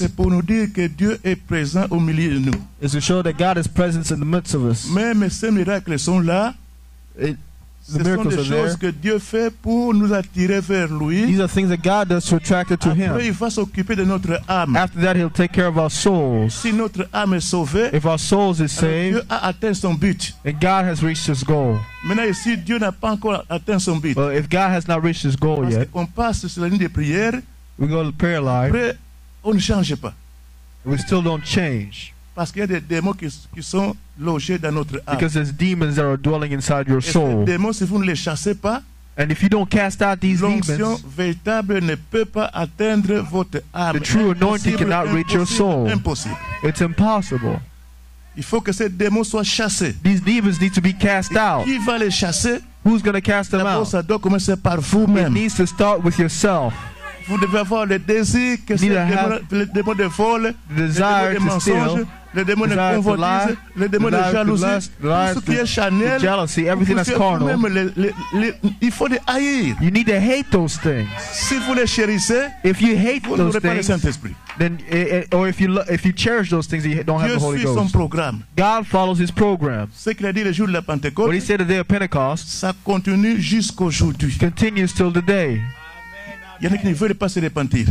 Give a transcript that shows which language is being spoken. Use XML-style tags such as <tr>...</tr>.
<fr>c'est pour nous dire que Dieu est présent au milieu de nous.</fr> <en>Is to show that God is present in the midst of us.</en> <fr>Même ces miracles sont là.</fr> <en>The miracles are there.</en> <fr>Ce sont des choses que Dieu fait pour nous attirer vers lui.</fr> <en>These are things that God does to attract it to</en> <fr>après,</fr> <en>him.</en> <fr>Après, il va s'occuper de notre âme.</fr> <en>After that, he'll take care of our souls.</en> <fr>Si notre âme est sauvée,</fr> <en>if our souls is saved,</en> <fr>Dieu a atteint son but.</fr> <en>And God has reached his goal.</en> <fr>Maintenant, ici, Dieu n'a pas encore atteint son but.</fr> <en>Well, if God has not reached his goal</en> <fr>parce</fr> <en>yet,</en> <fr>on passe sur la ligne de prière,</fr> <en>we go to prayer life,</en> <fr>après, on ne change pas.</fr> <en>We still don't change.</en> <fr>Parce qu'il y a des démons qui sont logés dans notre âme.</fr> <en>Because there's demons that are dwelling inside your soul.</en> <fr>Et ces démons, si vous ne les chassez pas,</fr> <en>and if you don't cast out these demons,</en> <fr>l'onction véritable ne peut pas atteindre votre âme.</fr> <en>The true anointing cannot reach your soul.</en> <fr>Impossible.</fr> <en>It's impossible.</en> <fr>Il faut que ces démons soient chassés.</fr> <en>These demons need to be cast out.</en> <fr>Qui va les chasser?</fr> <en>Who's going to cast them out?</en> <fr>Ça doit commencer par vous-même.</fr> <en>It needs to start with yourself.</en> <fr>Vous devez avoir le désir que ces démons de vol,</fr> <en>the desire</en> <fr>de mensonges, le démon de convoitise, le démon de jalousie, tout ce qui est charnel,</fr> <en>jealousy, everything that's carnal.</en> <fr>Il faut les haïr.</fr> <en>You need to hate those things.</en> <fr>Si vous les chérissez,</fr> <en>if you hate</en> <fr>vous</fr> <en>those things,</en> <fr>pas le Saint-Esprit.</fr> <en>Then or if you cherish those things, you don't</en> <fr>Dieu</fr> <en>have the Holy Ghost.</en> <fr>Son programme.</fr> <en>God follows His program.</en> <fr>Ce qu'il a dit le jour de la Pentecôte.</fr> <en>What He said the day of Pentecost.</en> <fr>Ça continue jusqu'aujourd'hui.</fr> <en>Continues till the day.</en> <fr>Il y en a qui ne veulent pas se repentir.</fr>